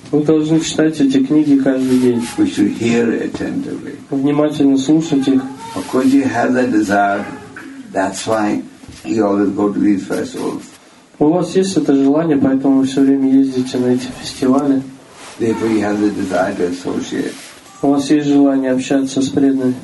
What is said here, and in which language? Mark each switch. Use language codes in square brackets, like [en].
[ru] Мы должны читать эти книги каждый день. [en] We should hear attentively. [ru] Внимательно слушать их. [en] Of course you have that desire. That's why you always go to these festivals. [ru] У вас есть это желание, поэтому вы все время ездите на эти фестивали. [en] Therefore you have the desire to associate. [ru] У вас есть желание общаться с преданными.